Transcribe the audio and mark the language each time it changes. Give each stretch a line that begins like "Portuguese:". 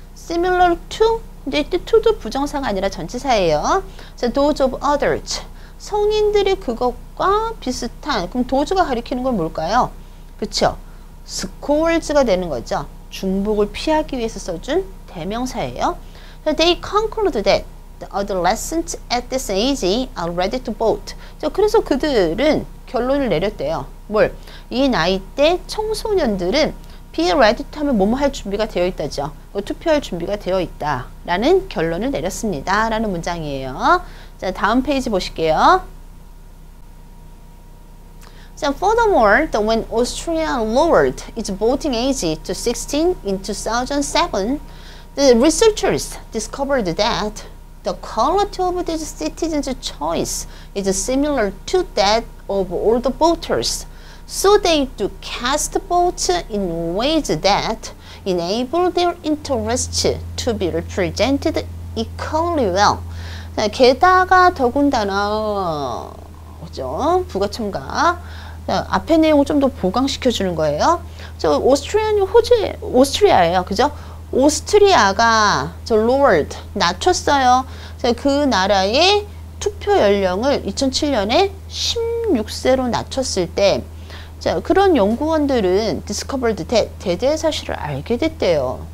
English: similar to,
Korean: 근데 이때 to도 부정사가 아니라 전치사예요.
English: those of others.
Korean: 성인들이 그것과 비슷한, 그럼 도즈가 가리키는 건 뭘까요? 그쵸? 스콜즈가 되는 거죠. 중복을 피하기 위해서 써준 대명사예요.
English: So they conclude that the adolescents at this age are ready to vote.
Korean: So 그래서 그들은 결론을 내렸대요. 뭘? 이 나이 때 청소년들은
English: be ready to
Korean: 하면 뭐뭐 할 준비가 되어 있다죠. 투표할 준비가 되어 있다. 라는 결론을 내렸습니다. 라는 문장이에요. 자, 다음 페이지 보실게요.
English: So furthermore, the when Austria lowered its voting age to 16 in 2007, the researchers discovered that the quality of the citizens' choice is similar to that of older voters. So they do cast votes in ways that enable their interests to be represented equally well.
Korean: 게다가 더군다나 그죠? 부가 첨가 앞에 내용을 좀 더 보강시켜 주는 거예요. 저 오스트리아는 호주 오스트리아예요, 그죠? 오스트리아가 저 lowered 낮췄어요. 그 나라의 투표 연령을 2007년에 16세로 낮췄을 때, 자 그런 연구원들은 discovered that 대대 사실을 알게 됐대요.